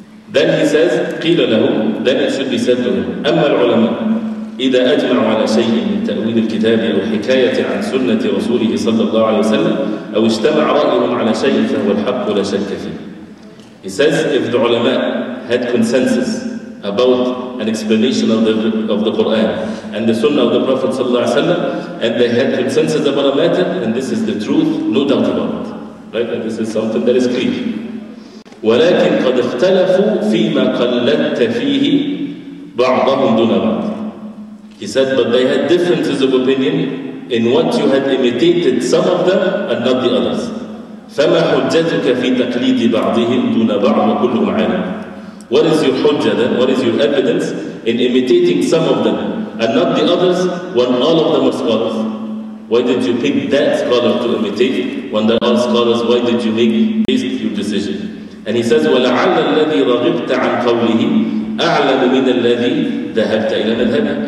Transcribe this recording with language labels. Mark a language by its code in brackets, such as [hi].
[en] Then he says, [ar] قِيلَ لَهُ, [en] then it should be said to him, [ar] أَمَّا الْعُلَمَاءُ إِذَا أَجْمَعُوا عَلَى شَيْءٍ مِنْ تَأْوِيلِ الْكِتَابِ أَوْ حِكَايَةٍ عَنْ سُنَّةِ رَسُولِهِ صَلَّى اللَّهُ عَلَيْهِ وَسَلَّمَ أَوْ اجْتَمَعَ رَأْيُهُمْ عَلَى شَيْءٍ فَهُوَ الْحَقُّ لَا شَكَّ فِيهِ. [en] He says, if the ulama had consensus about an explanation of the Quran and the Sunnah of the Prophet sallallahu alaihi wasallam, and they had consensus about a matter, and this is the truth, no doubt about it, right? And this is something that is clear. [ar] ولكن قد اختلفوا فيما قلدت فيه بعضهم دون بعض. [en] He said, but they had differences of opinion in what you had imitated some of them and not the others. [ar] فما حجتك في تقليد بعضهم دون بعض وكلهم عالم. [en] What is your hujja then? What is your evidence in imitating some of them and not the others when all of them are scholars? Why did you pick that scholar to imitate when they're all scholars? Why did you make based your decision? And he says, [ar] وَلَعَلَّ الَّذِي رَغِبْتَ عَنْ قَوْلِهِ أَعْلَمُ مِنَ الَّذِي ذَهَبْتَ إِلَى مَذْهَبِهِ.